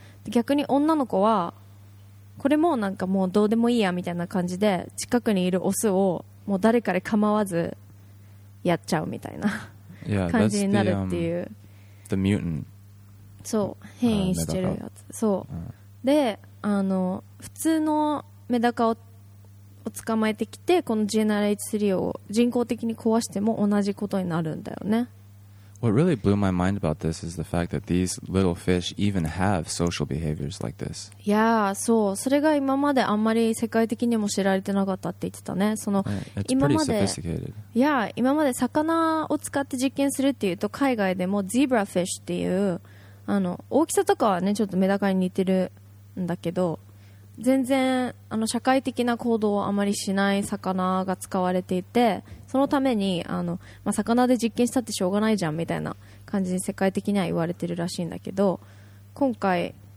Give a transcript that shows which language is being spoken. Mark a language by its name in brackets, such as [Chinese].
[Japanese] 逆に女の子はこれもなんかもうどうでもいいやみたいな感じで、近くにいるオスをもう誰かで構わずやっちゃうみたいな感じになるっていう。 [English] The mutant。 [Japanese] そう、変異してるやつ。そう、で普通のメダカ を捕まえてきて、この GNRH3 を人工的に壊しても同じことになるんだよね。 [English] What really blew my mind about this is the fact that these little fish even have social behaviors like this. Yeah, [Japanese] そう、それが今まであんまり世界的にも知られてなかったって言ってたね。その、今まで、 [English] sophisticated. Yeah, [Japanese] 今まで魚を使って実験するっていうと、海外でもゼブラフィッシュっていう、大きさとかはねちょっとメダカに似てるんだけど、全然社会的な行動をあまりしない魚が使われていて、そのために魚で実験したってしょうがないじゃんみたいな感じに世界的には言われてるらしいんだけど、今回